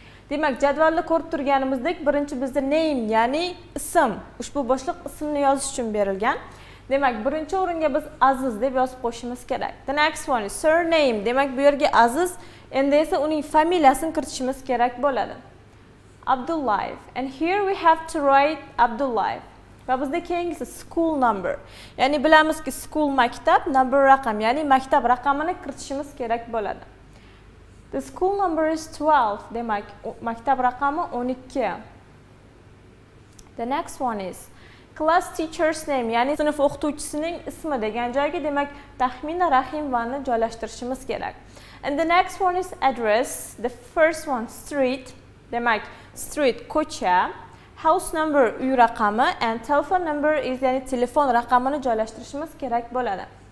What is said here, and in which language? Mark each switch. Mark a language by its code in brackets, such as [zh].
[uz] Demak, jadvalni ko'rib turganimizdek, birinchi bizda name, ya'ni ism, ushbu boshliq ismni yozish uchun berilgan. Demak, birinchi o'ringa biz Aziz deb yozib qo'yishimiz kerak. [en] The next one is surname. [uz] Demak, bu yerga Aziz, endi esa uning familiyasini kiritishimiz kerak bo'ladi. Abdullayev. [en] And here we have to write Abdullayev. [uz] Va bizda keyingisi school number. Ya'ni bilamizki, school maktab, number raqam, ya'ni maktab raqamini kiritishimiz kerak bo'ladi. [en] The school number is 12. [uz] Demak, maktab raqami 12. [en] The next one is class teacher's name, [uz] ya'ni sinf o'qituvchisining ismi degan joyga, demak, Tahmina Rahimovani joylashtirishimiz kerak. [en] And the next one is address. The first one street. [uz] Demak, street ko'cha. [en] House number [uz] uy raqami [en] and telephone number is, [uz] ya'ni telefon raqamini joylashtirishimiz kerak bo'ladi.